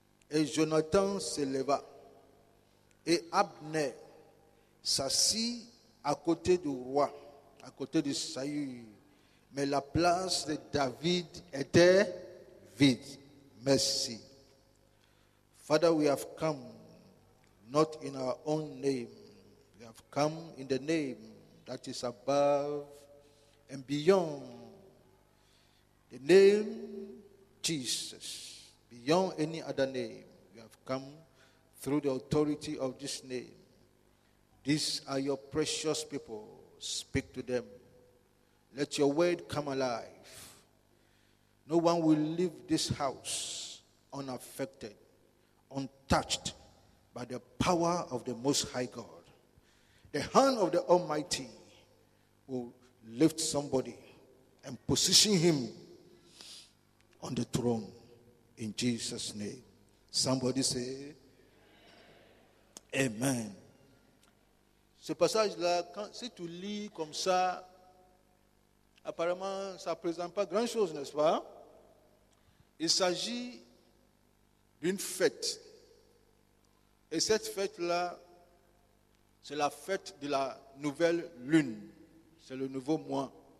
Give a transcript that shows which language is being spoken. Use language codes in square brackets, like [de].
[fr] Et Jonathan se leva, et Abner s'assit à côté du roi, à côté de Saül, mais la place de David était vide. Merci. [en] Father, we have come not in our own name. We have come in the name that is above and beyond. The name Jesus, beyond any other name. We have come through the authority of this name. These are your precious people. Speak to them. Let your word come alive. No one will leave this house unaffected, untouched by the power of the Most High God. The hand of the Almighty will lift somebody and position him on the throne in Jesus' name. Somebody say, amen. [fr] Ce passage-là, si tu lis comme ça, apparemment, ça ne présente pas grand-chose, n'est-ce pas? Il s'agit d'une fête. Et cette fête-là, c'est la fête de la nouvelle lune. C'est le nouveau mois.